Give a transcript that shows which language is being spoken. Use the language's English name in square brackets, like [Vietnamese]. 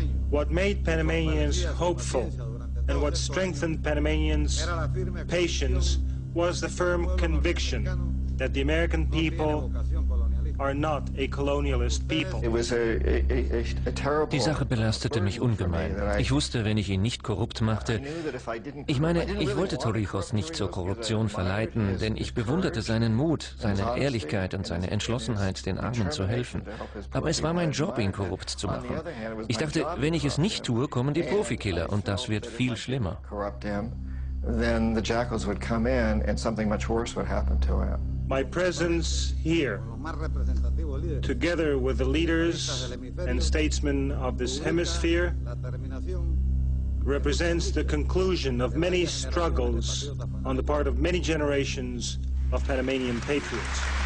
[English] What made Panamanians hopeful and what strengthened Panamanians' patience was the firm conviction that the American people are not a colonialist people. It was a terrible. [German] Die Sache belastete mich ungemein. Ich wusste, wenn ich ihn nicht korrupt machte, ich meine, ich wollte Torrijos nicht zur Korruption verleiten, denn ich bewunderte seinen Mut, seine Ehrlichkeit und seine Entschlossenheit, den Armen zu helfen. Aber es war mein Job, ihn korrupt zu machen. Ich dachte, wenn ich es nicht tue, kommen die Profikiller und das wird viel schlimmer. [English] Then the jackals would come in and something much worse would happen to him. My presence here, together with the leaders and statesmen of this hemisphere, represents the conclusion of many struggles on the part of many generations of Panamanian patriots.